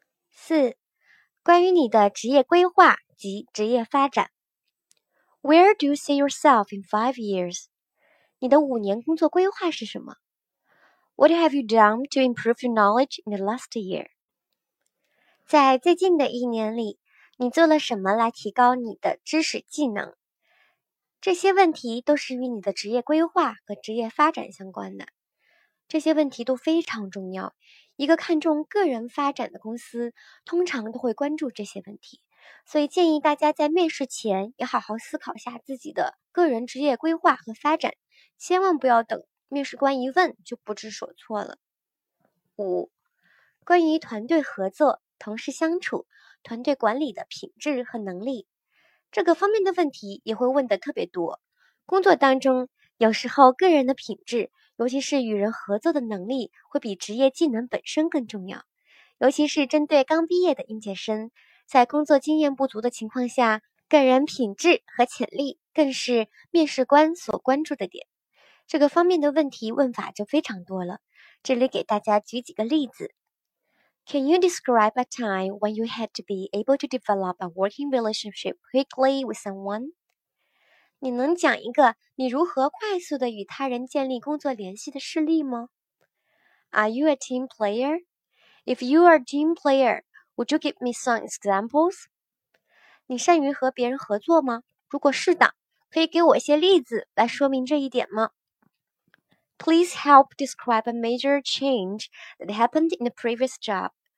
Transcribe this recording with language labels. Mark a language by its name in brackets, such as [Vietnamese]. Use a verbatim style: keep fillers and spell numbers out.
[Chinese] 四、关于你的职业规划及职业发展。 [English] Where do you see yourself in five years? [Chinese] 你的五年工作规划是什么？ [English] What have you done to improve your knowledge in the last year? [Chinese] 在最近的一年里，你做了什么来提高你的知识技能？这些问题都是与你的职业规划和职业发展相关的。这些问题都非常重要。一个看重个人发展的公司，通常都会关注这些问题，所以建议大家在面试前也好好思考下自己的个人职业规划和发展，千万不要等面试官一问就不知所措了。五、关于团队合作、同事相处、团队管理的品质和能力，这个方面的问题也会问得特别多。工作当中，有时候个人的品质，尤其是与人合作的能力，会比职业技能本身更重要。尤其是针对刚毕业的应届生，在工作经验不足的情况下，个人品质和潜力更是面试官所关注的点。这个方面的问题问法就非常多了。这里给大家举几个例子。 [English] Can you describe a time when you had to be able to develop a working relationship quickly with someone? [Chinese] 你能讲一个你如何快速的与他人建立工作联系的事例吗 ？ [English] Are you a team player? If you are a team player, would you give me some examples? [Chinese] 你善于和别人合作吗？如果是的，可以给我一些例子来说明这一点吗？ [English] Please help describe a major change that happened in the previous job.